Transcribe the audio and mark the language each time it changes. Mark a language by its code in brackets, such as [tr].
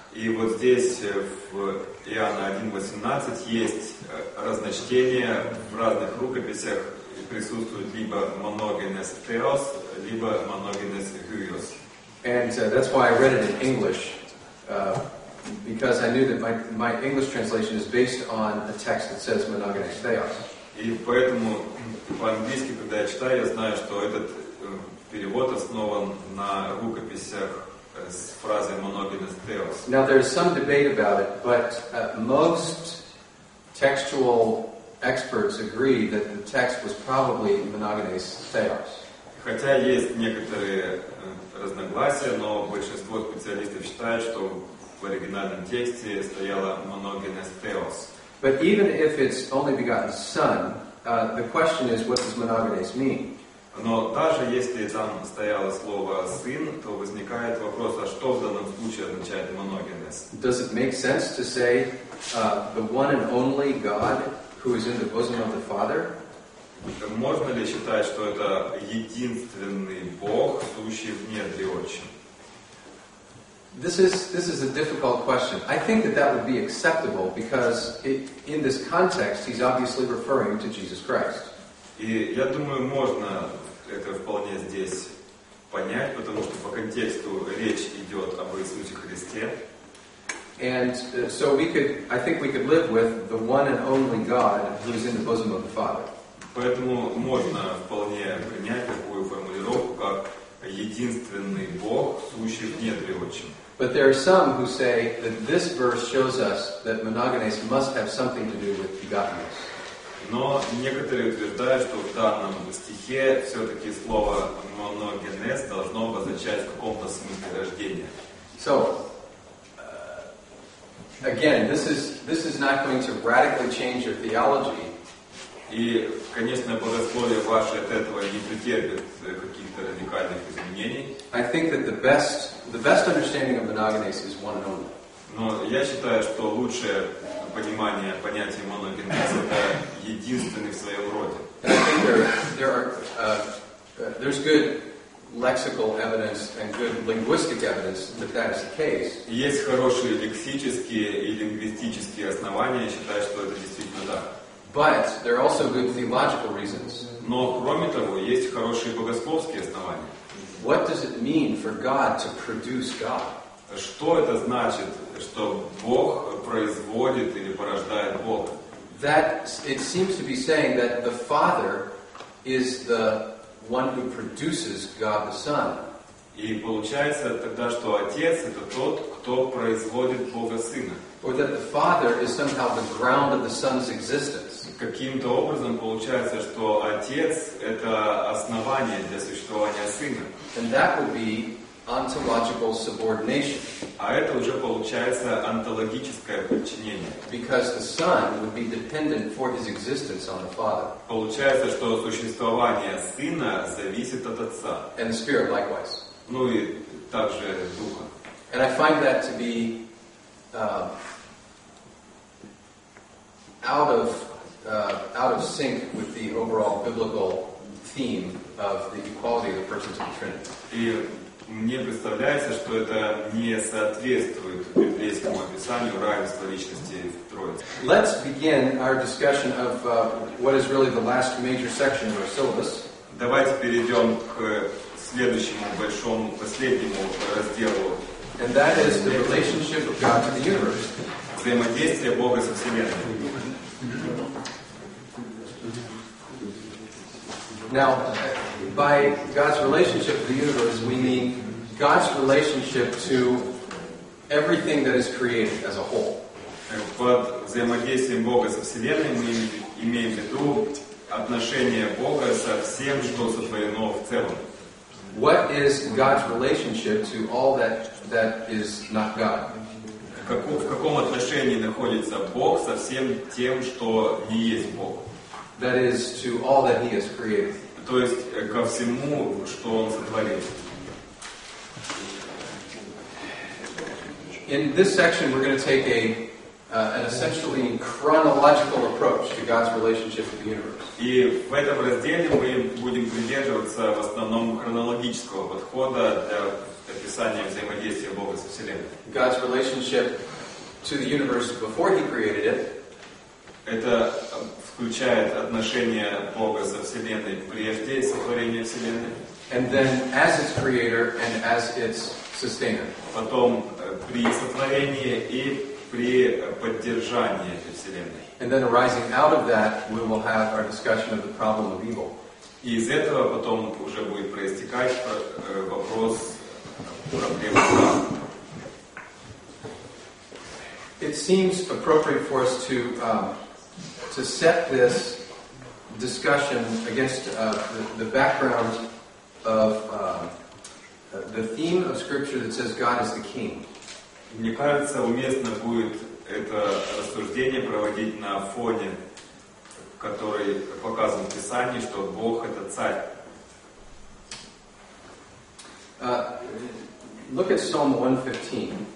[ru] И вот здесь в Иоанна 1:18 есть разночтение в разных рукописях. Присутствует либо моногенез теос, либо моногенез хуйос. [en] And that's why I read it in English, because I knew that my English translation is based on a text that says monogenez theos. [ru] И поэтому по-английски, когда я читаю, я знаю, что этот перевод основан на рукописях с фразой моногенез теос. [en] Now there is some debate about it, but most textual experts agree that the text was probably monogenez theos. [ru] Хотя есть некоторые разногласия, но большинство специалистов считает, что в оригинальном тексте стояла моногенез теос. [en] But even if it's only begotten son, the question is, what does monogenes mean? [ru] Но даже если там стояло слово сын, то возникает вопрос, а что в данном случае означает моногенез? [en] Does it make sense to say the one and only God who is in the bosom of the Father? [ru] Можно ли считать, что это единственный Бог, сущий в недре Отчим? [en] This is a difficult question. I think that would be acceptable because in this context he's obviously referring to Jesus Christ. [ru] И я думаю, можно это вполне здесь понять, потому что по контексту речь идет об Иисусе Христе. [en] And so I think we could live with the one and only God who is in the bosom of the Father. [ru] Поэтому можно вполне принять такую формулировку, как единственный Бог, сущий в недре Отчим. [en] But there are some who say that this verse shows us that monogenes must have something to do with begottenness. [ru] Но некоторые утверждают, что в данном стихе все-таки слово моногенез должно обозначать в каком-то смысле рождение. [en] So, again, this is not going to radically change your theology. [ru] И, конечно, богословие ваше от этого не претерпит каких-то радикальных изменений. [en] I think that the best understanding of monogenes is one and only. [ru] Но я считаю, что лучшее понимание понятия моногенез это единственный в своем роде. [en] And I think there's good lexical evidence and good linguistic evidence that that is the case. [ru] Есть хорошие лексические и лингвистические основания считать, что это действительно так. [en] But there are also good theological reasons. [ru] Но кроме того, есть хорошие богословские основания. [en] What does it mean for God to produce God? [ru] Что это значит, что Бог производит или порождает Бога? [en] That it seems to be saying that the Father is the one who produces God the Son. [ru] И получается тогда, что Отец это тот, кто производит Бога Сына. [en] Or that the Father is somehow the ground of the Son's existence. [ru] Каким-то образом получается, что Отец это основание для существования Сына. [en] And that would be ontological subordination. [ru] А это уже получается онтологическое подчинение. [en] Because the Son would be dependent for his existence on the Father. [ru] Получается, что существование Сына зависит от Отца. [en] And the Spirit likewise. [ru] Ну и также Духа. [en] And I find that to be out of out of sync with the overall biblical theme of the equality of the persons of the Trinity. [ru] И мне представляется, что это не соответствует библейскому описанию равенства личности в Троице. [en] Let's begin our discussion of what is really the last major section of our syllabus. [ru] Давайте перейдем к следующему большому последнему разделу. [en] And that is the relationship of God to the universe. [ru] Взаимодействие Бога со Вселенной. [en] Now, by God's relationship to the universe, we mean God's relationship to everything that is created as a whole. [ru] Под взаимодействием Бога со Вселенной мы имеем в виду отношение Бога со всем, что сотворено в целом. [en] What is God's relationship to all that is not God? [ru] В каком отношении находится Бог со всем тем, что не есть Бог? [en] That is to all that He has created. [ru] То есть ко всему, что Он сотворил. [en] In this section, we're going to take an essentially chronological approach to God's relationship with the universe. [ru] И в этом разделе мы будем придерживаться в основном хронологического подхода для описания взаимодействия Бога со Вселенной. [en] God's relationship to the universe before He created it. [ru] Это включает отношение Бога со Вселенной прежде сотворения Вселенной. [en] And then as its creator and as its sustainer. [ru] Потом при сотворении и при поддержании этой Вселенной. [en] And then arising out of that, we will have our discussion of the problem of evil. [ru] И из этого потом уже будет проистекать вопрос проблемы зла. [en] It seems appropriate for us to set this discussion against the background of the theme of Scripture that says God is the King. [ru] Мне кажется, уместно будет это рассуждение проводить на фоне, который показан в Писании, что Бог — это Царь. [en] Look at Psalm 115.